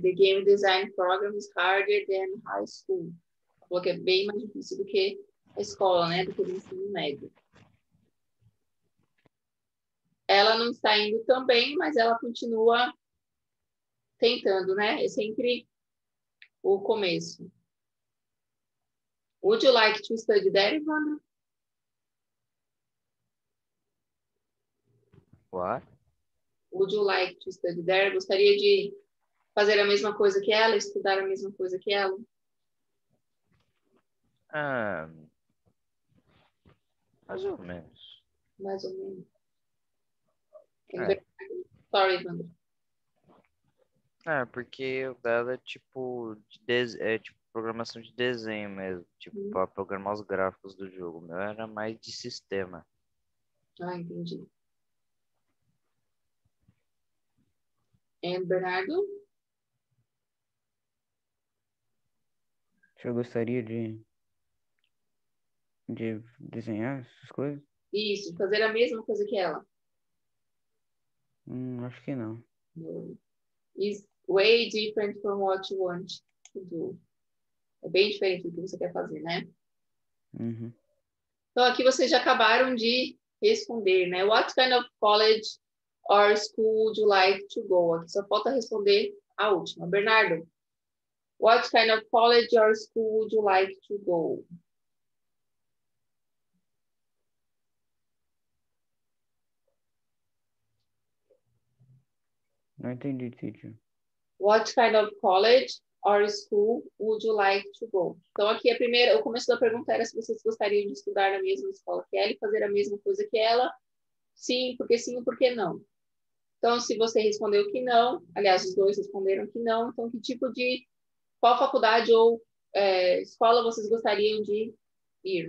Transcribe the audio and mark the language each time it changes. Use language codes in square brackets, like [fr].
[en] The game design program is harder than high school. [pt] Falou que é bem mais difícil do que a escola, né? Do que o ensino médio. Ela não está indo tão bem, mas ela continua tentando, né? É sempre o começo. [en] Would you like to study there, Ivana? What? Would you like to study there? [pt] Gostaria de fazer a mesma coisa que ela, estudar a mesma coisa que ela? Ah, mais ou menos. Mais ou menos. É. [en] Sorry, Sandra. [pt] Ah, porque o dela é tipo, tipo programação de desenho mesmo, tipo, pra programar os gráficos do jogo. O meu era mais de sistema. Ah, entendi. [en] And Bernardo? [pt] Eu gostaria de desenhar essas coisas? Isso, fazer a mesma coisa que ela. Acho que não. Isso. [en] Way different from what you want to do. [pt] É bem diferente do que você quer fazer, né? Uhum. Então, aqui vocês já acabaram de responder, né? [en] What kind of college or school would you like to go? [pt] Aqui só falta responder a última. [en] Bernardo, what kind of college or school would you like to go? [pt] Não entendi, teacher. [en] What kind of college or school would you like to go? [pt] Então, aqui a primeira, o começo da pergunta era se vocês gostariam de estudar na mesma escola que ela e fazer a mesma coisa que ela. Sim, porque não. Então, se você respondeu que não, aliás, os dois responderam que não, então, que tipo de, qual faculdade ou escola vocês gostariam de ir?